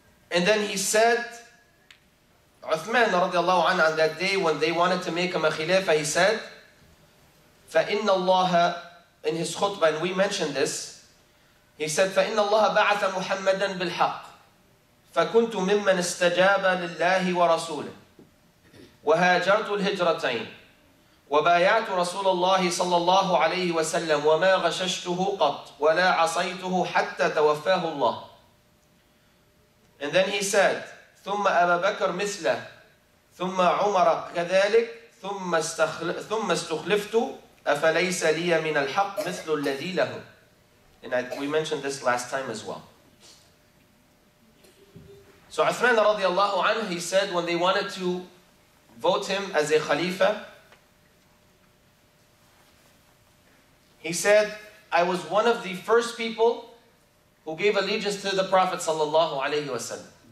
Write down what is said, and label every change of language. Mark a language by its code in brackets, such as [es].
[en] And then he said, [ar] Uthman radiallahu anhu, on that day when they wanted to make him a khilafah, he said, فَإِنَّ اللَّهَ, [en] in his khutbah, and we mentioned this, he said, [ar] فَإِنَّ اللَّهَ بَعَثَ مُحَمَّدًا بِالْحَقِّ فَكُنْتُ مِمَّنْ اسْتَجَابَ لِلَّهِ وَرَسُولِهِ وَهَاجَرْتُ الْهِجْرَتَيْنِ وبايعت رسول الله صلى الله عليه وسلم وما غششته قط ولا عصيته حتى توفاه الله. [en] And then he said, [ar] ثم أبا بكر مثله ثم عمر كذلك ثم استخلفت أفليس لي من الحق مثل الذي له. [en] And we mentioned this last time as well. So Uthman رضي الله عنه, he said when they wanted to vote him as a khalifa, he said, I was one of the first people who gave allegiance to the Prophet sallallahu alayhi wa sallam.